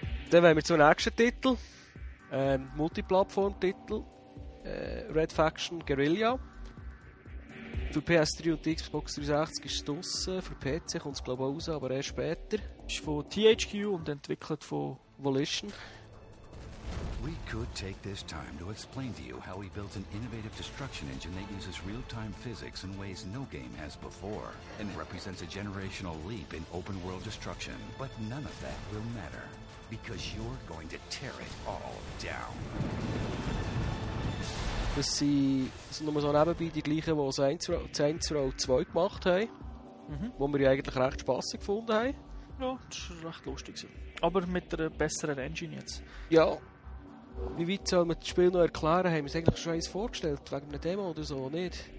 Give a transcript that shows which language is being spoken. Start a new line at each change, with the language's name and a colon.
German: Dann wollen wir zum nächsten Titel. Multiplattform-Titel. Red Faction Guerrilla. Für PS3 und Xbox 360 ist es draussen. Für PC kommt es glaube ich auch raus, aber erst später. Ist von THQ und entwickelt von Volition.
English: We could take this time to explain to you how we built an innovative destruction engine that uses real-time physics in ways no game has before, and represents a generational leap in open-world destruction. But none of that will matter, because you're going to tear it all down.
German: Das sind nur so nebenbei die gleichen, die Saints Row 2 gemacht haben, wo wir ja eigentlich recht spassig gefunden haben. Ja, das ist recht lustig. Aber mit einer besseren Engine jetzt. Ja. Wie weit soll man das Spiel noch erklären? Haben wir es eigentlich schon eins vorgestellt? Wegen einer Demo oder so, nicht?